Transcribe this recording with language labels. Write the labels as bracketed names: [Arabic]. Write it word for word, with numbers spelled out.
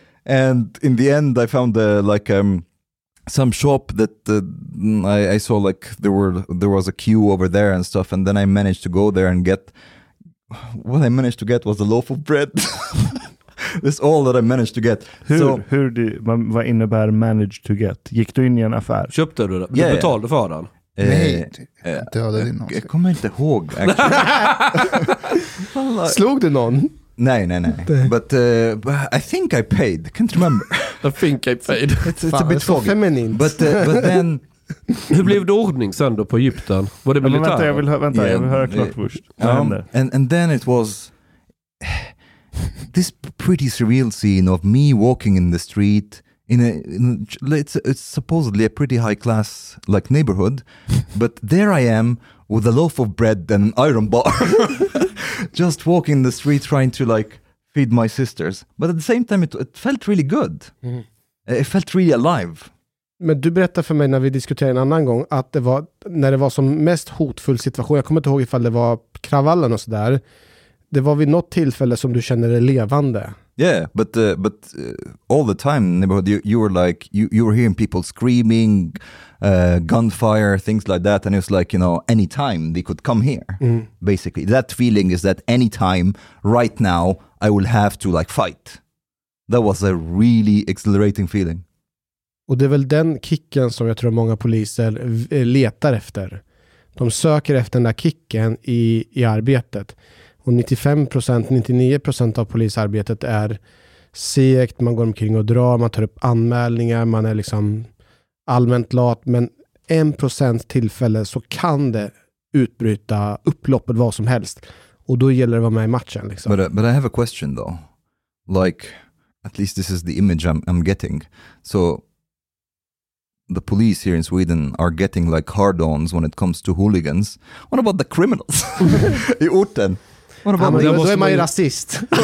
[English] And in the end, I found uh, like... Um, some shop that uh, I, I saw like there were there was a queue over there and stuff, and then I managed to go there and get what I managed to get was a loaf of bread. That's all that I managed to get. [Swedish] Hur, so, hur du, vad innebär [English] managed to get? [Swedish] Gick du in i en affär? Köpte du det? Du yeah, betalade för den? Eh, Nej, dödade eh, din någon. Jag kommer inte ihåg. Actually. Slog du någon? Nej, nej, nej. [English] But uh, I think I paid. Can't remember. I think I paid. It's, it's Fan, a bit foggy. [Swedish] Feminint. [English] But, uh, but then... [Swedish] Hur blev det ordning sen då på Egypten? Var det militär? Ja, vänta, jag vill, hö- vänta, yeah, jag vill höra klart uh, först. [English] Um, and, and then it was... This pretty surreal scene of me walking in the street... In a, in a, it's, it's supposedly a pretty high class like neighborhood, but there I am with a loaf of bread and an iron bar, just walking the street trying to like feed my sisters. But at the same time, it, it felt really good. Mm. It felt really alive. [Swedish] Men du berättade för mig när vi diskuterade en annan gång att det var när det var som mest hotfull situation. Jag kommer inte ihåg ifall det var kravallen och så där. Det var vid något tillfälle som du kände dig levande. Yeah, but uh, but uh, all the time, neighborhood, you, you were like you, you were hearing people screaming, uh, gunfire, things like that, and it was like you know any time they could come here. Mm. Basically, that feeling is that any time, right now, I will have to like fight. That was a really exhilarating feeling. Och det är väl den kicken som jag tror många poliser letar efter. De söker efter den där kicken i i arbetet. Och nittiofem procent, nittionio procent av polisarbetet är segt, man går omkring och drar, man tar upp anmälningar, man är liksom allmänt lat. Men en procent tillfälle så kan det utbryta upploppet vad som helst. Och då gäller det att vara med i matchen. Liksom. [English] But, uh, but I have a question though. Like, at least this is the image I'm, I'm getting. So, the police here in Sweden are getting like hard-ons when it comes to hooligans. What about the criminals? [Swedish] I orten? Ja, men då, då är man ju rasist.